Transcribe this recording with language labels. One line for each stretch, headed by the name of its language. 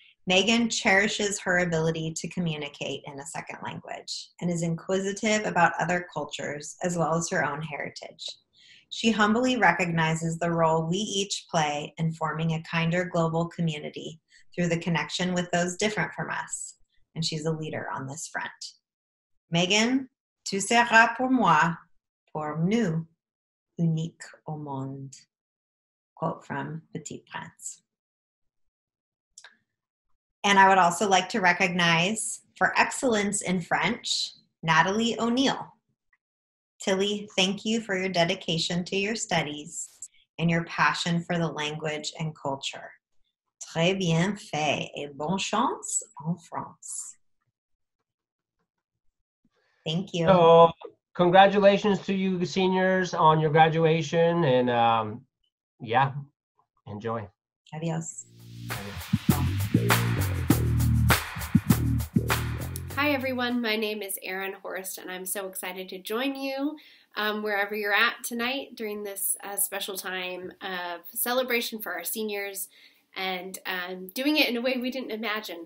English: Megan cherishes her ability to communicate in a second language and is inquisitive about other cultures as well as her own heritage. She humbly recognizes the role we each play in forming a kinder global community through the connection with those different from us, and she's a leader on this front.
French: Megan, tu seras pour moi, pour nous, unique au monde.
English: Quote from Petit Prince. And I would also like to recognize, for excellence in French, Natalie O'Neill. Tilly, thank you for your dedication to your studies and your passion for the language and culture.
French: Très bien fait et bonne chance en France.
English: Thank you. So, congratulations to you seniors on your graduation and enjoy.
Spanish: Adios.
English: Hi everyone, my name is Erin Horst and I'm so excited to join you wherever you're at tonight during this special time of celebration for our seniors and doing it in a way we didn't imagine.